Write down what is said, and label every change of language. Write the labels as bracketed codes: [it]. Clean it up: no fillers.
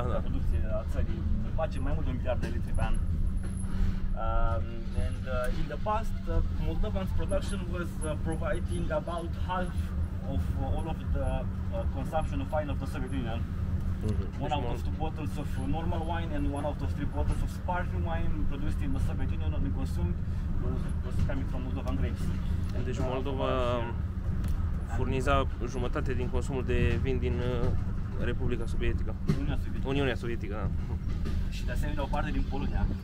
[ro] La producție a țării, face mai mult de 1 miliard de litri pe an. [en] In the past, Moldovan's production was providing about half of all of the consumption of wine of the Soviet Union. Mm-hmm. One out of two bottles of normal wine and one out of three bottles of sparkling wine produced in the Soviet Union and consumed was coming from Moldovan grapes. [ro] Deci Moldova furniza jumătate din consumul de vin din Republica Sovietică. Uniunea Sovietică, da. Și de asemenea o parte din Polonia.